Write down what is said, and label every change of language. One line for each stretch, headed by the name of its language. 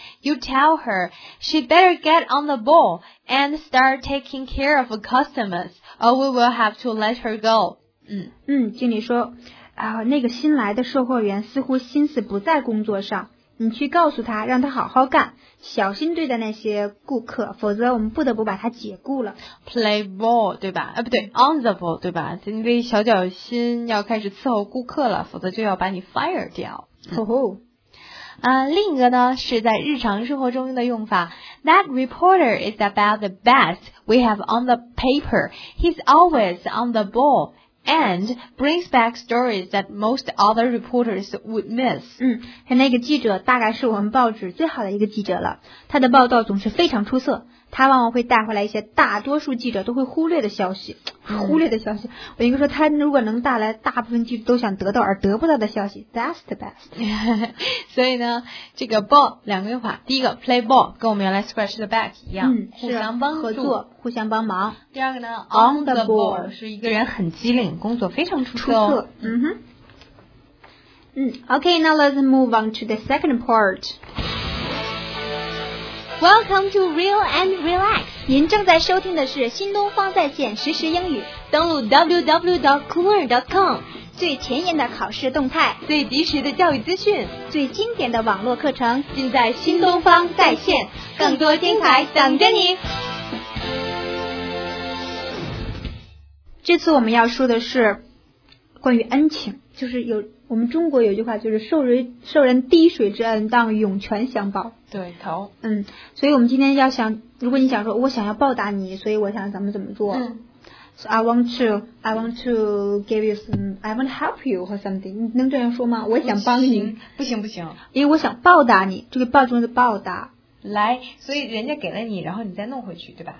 English: You tell her, she better get on the ball and start taking care of customers, or we will have to let her go.
Chinese: 嗯，经理说那个新来的售货员似乎心思不在工作上，你去告诉他，让他好好干，小心对待那些顾客，否则我们不得不把他解雇了。
English: Play ball
Chinese: 对吧，不对，
English: on the ball
Chinese: 对吧，经理小脚心要开始伺候顾客了，否则就要把你 fire 掉。吼吼。另一个呢是在日常生活中的用法，
English: That reporter is about the best we have on the paper. He's always on the ball and brings back stories that most other reporters would miss.
Chinese: 那个记者大概是我们报纸最好的一个记者了，他的报道总是非常出色，他往往会带回来一些大多数记者都会忽略的消息，忽略的消息，我应该说他如果能带来大部分记者都想得到而得不到的消息，
English: That's the best.
Chinese: 所以呢这个 ball 两个用法，第一个
English: play ball
Chinese: 跟我们原来
English: scratch the back
Chinese: 一样，互相帮助，合作，互相帮忙。第二个呢
English: on the ball
Chinese: 是一个人很机灵，工作非常出色。
English: Okay, now let's move on to the second part. Welcome to Real and Relax.
Chinese: 您正在收听的是新东方在线实时英语，登录 www.cooler.com，最前沿的考试动态，最及时的教育资讯，最经典的网络课程，尽在新东方在线，更多精彩等着你。这次我们要说的是关于恩情，就是有我们中国有句话，就是受人滴水之恩，当涌泉相报。对头。所以我们今天要想，如果你想说我想要报答你，所以我想咱们怎么做。
English: So I want to give you some, I want to help you or something.
Chinese: 你能这样说吗？我想帮你。不行不行。因为我想报答你，这个报中的报答。来，所以人家给了你，然后你再弄回去，对吧？